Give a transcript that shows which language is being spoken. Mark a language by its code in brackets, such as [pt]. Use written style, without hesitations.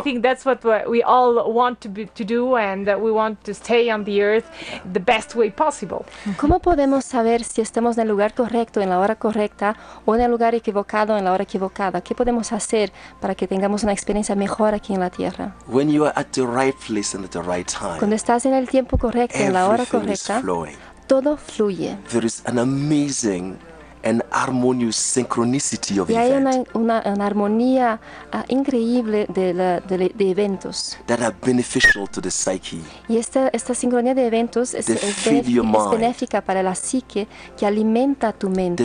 [en] think that's what we all want to do, and we want to stay on the earth the best way possible. [es] ¿Cómo podemos saber si estamos en el lugar correcto en la hora correcta o en el lugar equivocado en la hora equivocada? ¿Qué podemos hacer para que tengamos una experiencia mejor aquí en la tierra? [en] When you are at the right place and at the right time, [es] cuando estás en el tiempo correcto, en la hora correcta, todo fluye. [en] There is an amazing and harmonious synchronicity of [es] events. Y hay una armonía increíble de eventos. [en] That are beneficial to the psyche. [es] Y esta sincronía de eventos es benéfica para la psique, que alimenta tu mente.